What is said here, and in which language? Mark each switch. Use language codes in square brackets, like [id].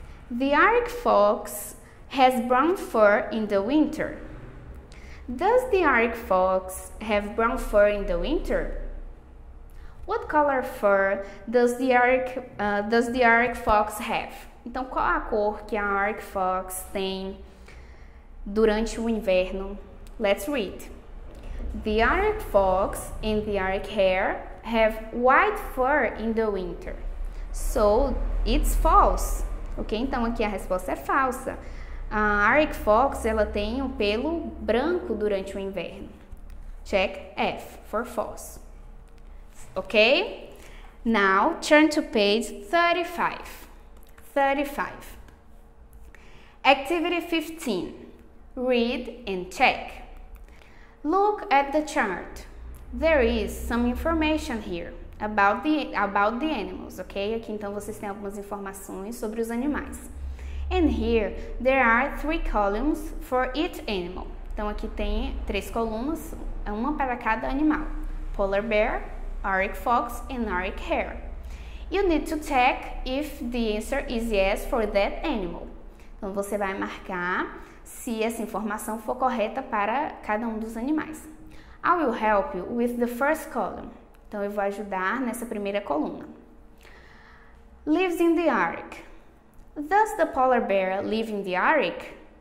[en] The Arctic fox has brown fur in the winter. Does the Arctic fox have brown fur in the winter? What color fur does the Arctic fox have? [pt] Então, qual a cor que a Arctic fox tem durante o inverno? [en] Let's read. The Arctic fox and the Arctic hare have white fur in the winter. So, it's false. [pt] Ok? Então, aqui a resposta é falsa. A Arctic fox, ela tem o pelo branco durante o inverno. [en] Check F for false. Ok? Now, turn to page 35. 35. Activity 15. Read and check. Look at the chart. There is some information here about the animals, okay? [pt] Aqui então vocês têm algumas informações sobre os animais. [en] And here there are three columns for each animal. [pt] Então aqui tem três colunas, uma para cada animal. [en] Polar bear, Arctic fox and Arctic hare. You need to check if the answer is yes for that animal. [pt] Então você vai marcar se essa informação for correta para cada um dos animais. [en] I will help you with the first column. [pt] Então eu vou ajudar nessa primeira coluna. [en] Lives in the Arctic. Does the polar bear live in the Arctic?